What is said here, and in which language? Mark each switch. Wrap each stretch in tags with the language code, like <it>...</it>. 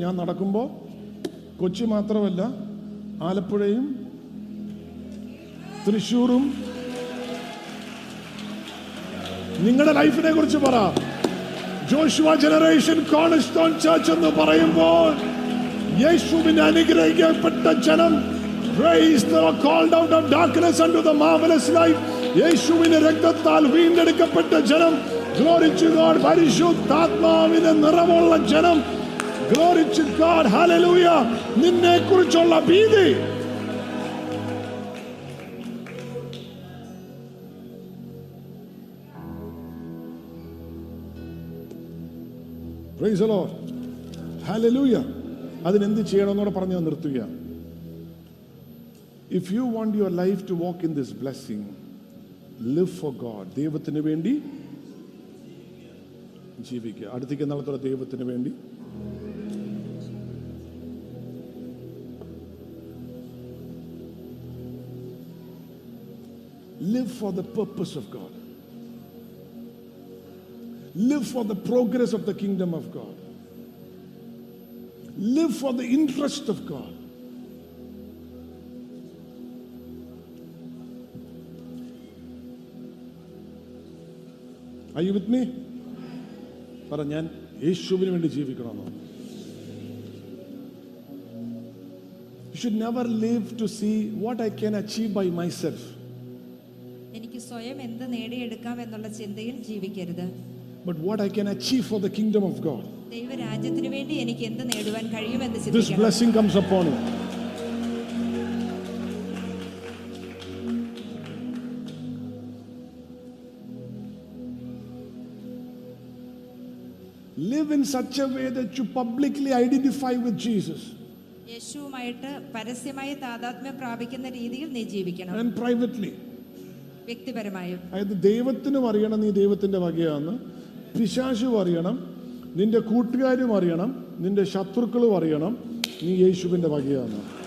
<ml>ഞാൻ നടക്കുമ്പോ കൊച്ചി മാത്രമല്ല, ആലപ്പുഴയും തൃശൂരും. നിങ്ങളുടെ ലൈഫിനെ കുറിച്ച് പറ, ജോഷുവ ജനറേഷൻ കോണസ്റ്റോൺ ചർച്ച് എന്ന് പറയുമ്പോൾ യേശുവിനെ അനുഗ്രഹിക്കപ്പെട്ട ജനം.</ml> <en>Praise the Lord, called out of darkness unto the marvelous light.</en> <ml>യേശുവിന്റെ രക്തത്താൽ വീണ്ടെടുക്കപ്പെട്ട ജനം.</ml> <en>Glory to God.</en> <ml>പരിശുദ്ധാത്മാവിന്റെ നിറമുള്ള ജനം.</ml> <en>Glory to God. Hallelujah.</en> <ml>നിന്നെ കുറിച്ചുള്ള ഭീതി.</ml> <en>Praise the Lord. Hallelujah.</en> <ml>അതിനെന്ത് ചെയ്യണമെന്നോട് പറഞ്ഞു നിർത്തുക.</ml> <en>If you want your life to walk in this blessing, live for God.</en> <ml>ദൈവത്തിനു വേണ്ടി ജീവിക്കുക. അടുത്തേക്ക് നടത്തുക. ദൈവത്തിനു വേണ്ടി</ml> <en>live for the purpose of God. Live for the progress of the kingdom of God. Live for the interest of God. Are you with me?</en> <ml>പറ ഞാൻ യേശുവിന് വേണ്ടി ജീവിക്കണമെന്ന്.</ml> <en>You should never live to see what I can achieve by myself.</en> <ml>എനിക്ക് സ്വയം എന്ത് നേടിയെടുക്കാം എന്നുള്ള ചിന്തയിൽ ജീവിക്കരുത്.</ml> <en>But what I can achieve for the kingdom of God.</en> <ml>ദൈവരാജ്യത്തിന് വേണ്ടി എനിക്ക് എന്ത് നേടുവാൻ കഴിയും എന്ന് ചിന്തിക്കുക.</ml> <en>This blessing comes upon you. Live in such a way that you publicly identify with Jesus.</en> <ml>യേശുവുമായിട്ട് പരസ്യമായി താദാത്മ്യം പ്രാപിക്കുന്ന രീതിയിൽ നീ ജീവിക്കണം.</ml> <en>And privately.</en> <ml>വ്യക്തിപരമായും. അതായത് ദൈവത്തിനും അറിയണം നീ ദൈവത്തിന്റെ വകയാണെന്ന്, പിശാചും അറിയണം, നിന്റെ കൂട്ടുകാരും അറിയണം, നിന്റെ ശത്രുക്കളും അറിയണം നീ യേശുവിന്റെ വകയാണെന്ന്.</ml>